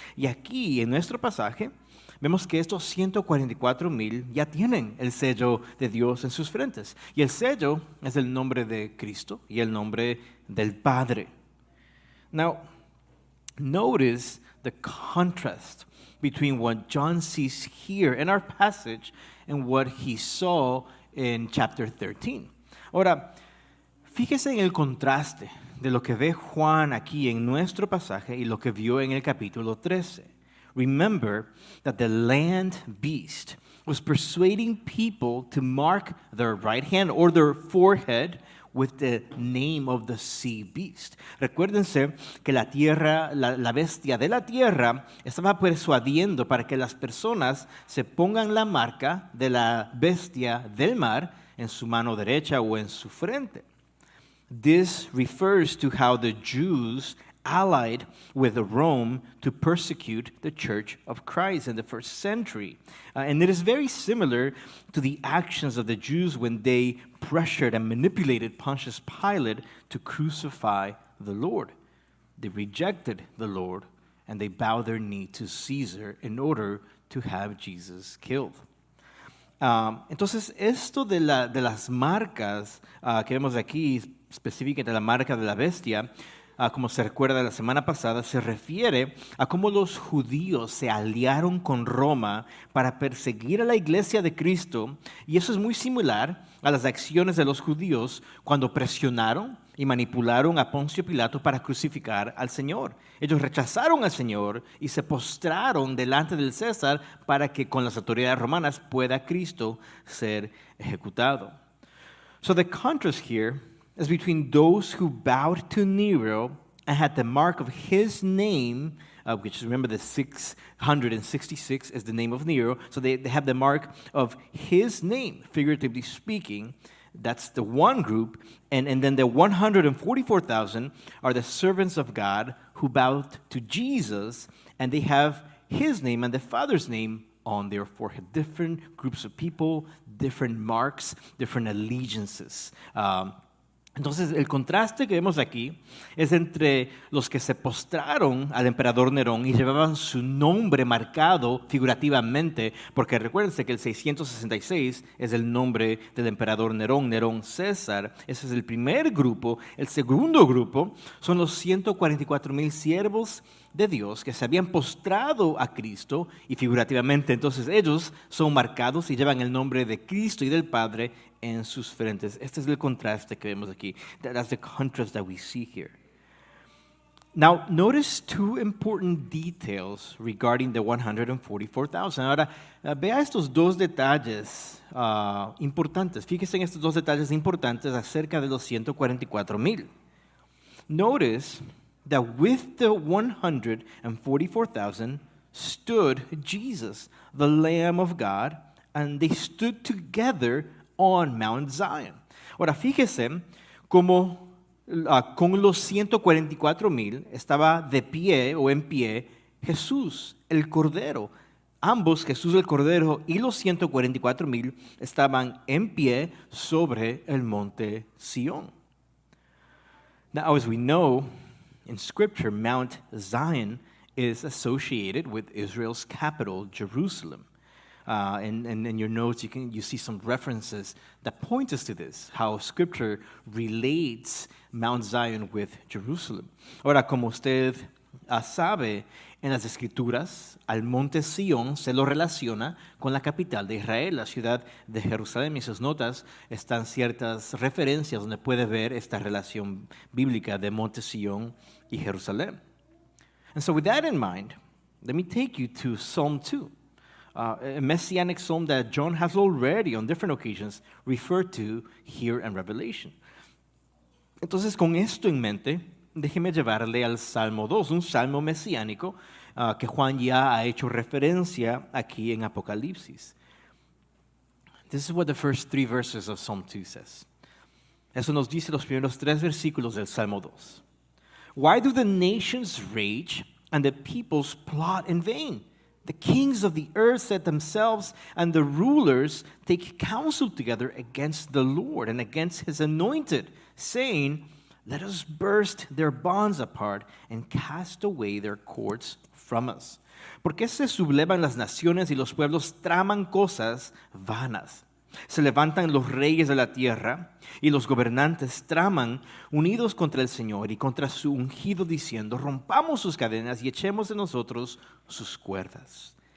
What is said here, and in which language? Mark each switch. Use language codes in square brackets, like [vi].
[es] Y aquí, en nuestro pasaje, vemos que estos 144,000 ya tienen el sello de Dios en sus frentes. Y el sello es el nombre de Cristo y el nombre del Padre. [en] Now, notice the contrast between what John sees here in our passage and what he saw in chapter 13. [es] Ahora, fíjese en el contraste de lo que ve Juan aquí en nuestro pasaje y lo que vio en el capítulo 13. [en] Remember that the land beast was persuading people to mark their right hand or their forehead with the name of the sea beast. [es] Recuérdense que la tierra, la bestia de la tierra, estaba persuadiendo para que las personas se pongan la marca de la bestia del mar en su mano derecha o en su frente. [en] This refers to how the Jews allied with Rome to persecute the Church of Christ in the first century. And it is very similar to the actions of the Jews when they pressured and manipulated Pontius Pilate to crucify the Lord. They rejected the Lord and they bowed their knee to Caesar in order to have Jesus killed. [es] Entonces, esto de las marcas que vemos aquí, específicamente la marca de la bestia, como se recuerda la semana pasada, se refiere a cómo los judíos se aliaron con Roma para perseguir a la iglesia de Cristo, y eso es muy similar a las acciones de los judíos cuando presionaron y manipularon a Poncio Pilato para crucificar al Señor. Ellos rechazaron al Señor y se postraron delante del César para que con las autoridades romanas pueda Cristo ser ejecutado. [en] So the contrast here is between those who bowed to Nero and had the mark of his name, which, remember, the 666 is the name of Nero, so they have the mark of his name, figuratively speaking. That's the one group. And then the 144,000 are the servants of God who bowed to Jesus, and they have his name and the Father's name on their forehead. Different groups of people, different marks, different allegiances. [es] Entonces, el contraste que vemos aquí es entre los que se postraron al emperador Nerón y llevaban su nombre marcado figurativamente, porque recuérdense que el 666 es el nombre del emperador Nerón, Nerón César. Ese es el primer grupo. El segundo grupo son los 144,000 siervos de Dios que se habían postrado a Cristo y figurativamente, entonces ellos son marcados y llevan el nombre de Cristo y del Padre en sus frentes. Este es el contraste que vemos aquí. [en] That's the contrast that we see here. Now, notice two important details regarding the 144,000. [es] Ahora, vea estos dos detalles importantes. Fíjense en estos dos detalles importantes acerca de los 144,000. [en] Notice that with the 144,000 stood Jesus, the Lamb of God, and they stood together on Mount Zion. [es] Ahora, fíjese cómo con los 144,000 estaba de pie o en pie Jesús, el Cordero. Ambos, Jesús el Cordero y los 144,000, estaban en pie sobre el monte Sion. [en] Now, as we know, in Scripture, Mount Zion is associated with Israel's capital, Jerusalem. And in your notes, you see some references that point us to this, how Scripture relates Mount Zion with Jerusalem. [es] Ahora, como usted sabe, en las Escrituras, al monte Sion se lo relaciona con la capital de Israel, la ciudad de Jerusalén. En sus notas están ciertas referencias donde puede ver esta relación bíblica de monte Sion y Jerusalén. [en] And so with that in mind, let me take you to Psalm 2. A messianic psalm that John has already, on different occasions, referred to here in Revelation. [es] Entonces, con esto en mente, déjeme llevarle al Salmo 2, un salmo mesiánico que Juan ya ha hecho referencia aquí en Apocalipsis. [en] This is what the first three verses of Psalm 2 says. [es] Eso nos dice los primeros tres versículos del Salmo 2. [en] Why do the nations rage and the peoples plot in vain? The kings of the earth set themselves and the rulers take counsel together against the Lord and against his anointed, saying, let us burst their bonds apart and cast away their cords from us. [es] ¿Por qué se sublevan las naciones y los pueblos traman cosas vanas? Se levantan los reyes de la tierra y los gobernantes traman unidos contra el Señor y contra su ungido, diciendo, rompamos sus cadenas y echemos de nosotros sus cuerdas.